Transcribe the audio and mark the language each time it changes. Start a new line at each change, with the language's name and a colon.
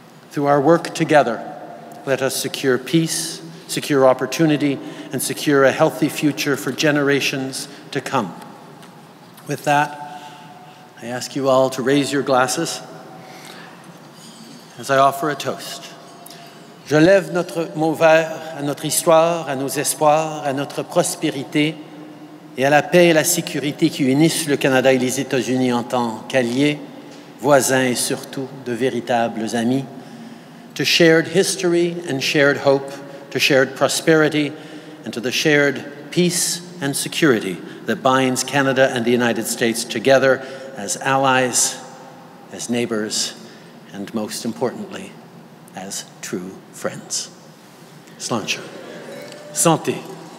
English: Through our work together, let us secure peace, secure opportunity, and secure a healthy future for generations to come. With that, I ask you all to raise your glasses as I offer a toast.
French: Je lève notre mot vert à notre histoire, à nos espoirs, à notre prospérité et à la paix et la sécurité qui unissent le Canada et les États-Unis en tant qu'alliés, voisins et surtout de véritables amis.
English: To shared history and shared hope, to shared prosperity and to the shared peace and security that binds Canada and the United States together as allies, as neighbors, and most importantly, as true friends. Sláinte. Santé.